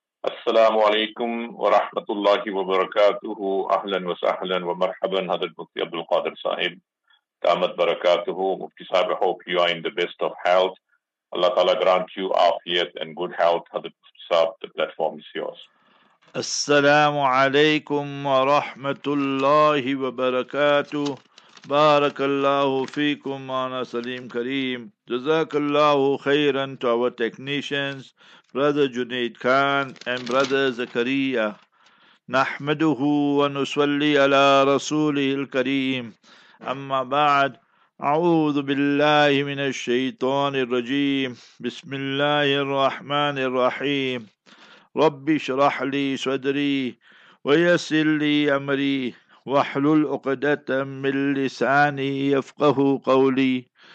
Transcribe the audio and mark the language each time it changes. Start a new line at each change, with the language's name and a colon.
Arabic: السلام عليكم ورحمة الله وبركاته. أهلا وسهلا ومرحبا هذا المفتي عبد القادر صاحب، دامت بركاته.
English: مفتي صاحب, I hope you are in the best of health. Allah Ta'ala grant you afiyat and good health.
Arabic: هذا المفتي صاحب,
English: the platform is yours.
Arabic: السلام عليكم ورحمة الله وبركاته. بارك الله فيكم مانا سليم كريم. جزاك الله خيرا
English: to our technicians, Brother Junaid Khan and Brother Zakaria.
Arabic: نحمده ونصلي على رسوله الكريم. أما بعد, أعوذ بالله من الشيطان الرجيم. بسم الله الرحمن الرحيم. رب اشرح لي صدري ويسر لي أمري واحلل عقدة من لساني يفقه قولي.